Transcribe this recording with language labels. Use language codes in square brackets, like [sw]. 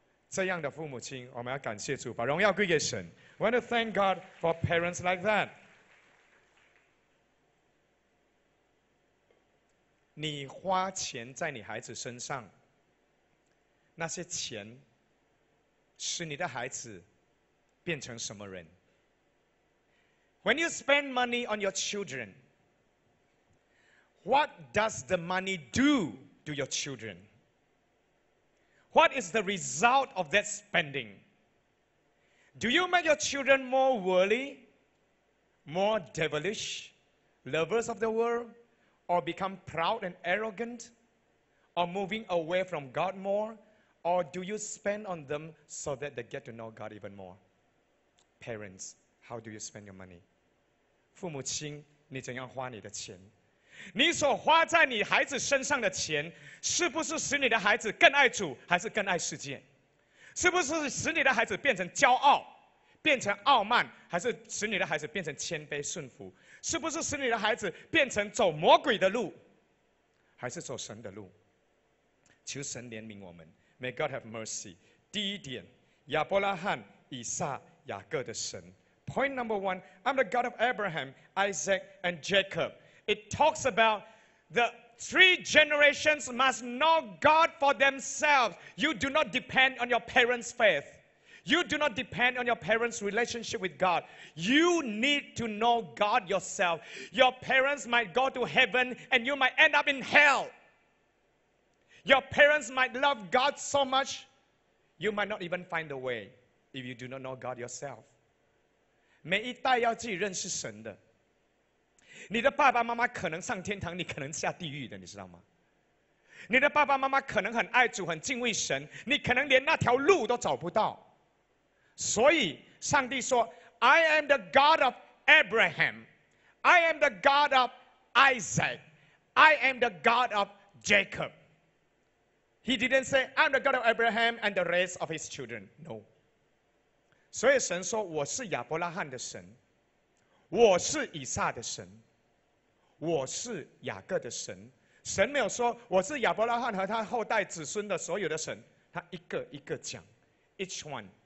[zh] 这样的父母亲，我们要感谢主，把荣耀归给神。 [en] I want to thank God for parents like that. [zh] 你花钱在你孩子身上，那些钱使你的孩子变成什么人 [en] ？When you spend money on your children, what does the money do to your children? What is the result of that spending? Do you make your children more worldly, more devilish, lovers of the world, or become proud and arrogant, or moving away from God more, or do you spend on them so that they get to know God even more? Parents, how do you spend your money? [zh] 父母亲，你怎样花你的钱。你所花在你孩子身上的钱，是不是使你的孩子更爱主，还是更爱世界？是不是使你的孩子变成骄傲，变成傲慢，还是使你的孩子变成谦卑顺服？是不是使你的孩子变成走魔鬼的路，还是走神的路？求神怜悯我们。 [en] May God have mercy. [zh] 第一点，亚伯拉罕、以撒、雅各的神。 [en] Point number one, I'm the God of Abraham, Isaac and Jacob. It talks about the three generations must know God for themselves. You do not depend on your parents' faith. You do not depend on your parents' relationship with God. You need to know God yourself. Your parents might go to heaven and you might end up in hell. Your parents might love God so much, you might not even find the way if you do not know God yourself. [zh] 每一代要自己认识神的。你的爸爸妈妈可能上天堂，你可能下地狱的，你知道吗？你的爸爸妈妈可能很爱主，很敬畏神，你可能连那条路都找不到。所以上帝说， [en] I am the God of Abraham, I am the God of Isaac, I am the God of Jacob. He didn't say, I'm the God of Abraham and the race of his children. No. [zh] 所以神说，我是亚伯拉罕的神，我是以撒的神，我是雅各的神。神没有说我是亚伯拉罕和他后代子孙的所有的神，他一个一个讲 [en] each one。